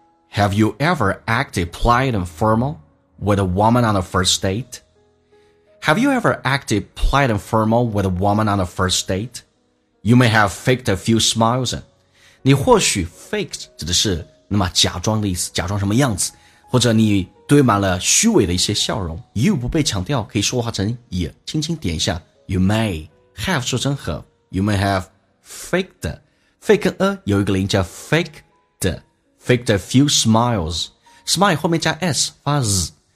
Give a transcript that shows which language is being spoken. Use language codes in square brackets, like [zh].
[en] Have you ever acted polite and formal with a woman on a first dateHave you ever acted polite and formal with a woman on a first date? You may have faked a few smiles. [zh] 你或许 faked 指的是那么假装的意思，假装什么样子，或者你堆满了虚伪的一些笑容。 You 不被强调，可以说话成 也， 轻轻点一下。 You may have 说成 have， [en] you may have faked， [zh] fake 跟 a 有一个零叫 [en] faked a few smiles， [zh] smile 后面加 s 发 z。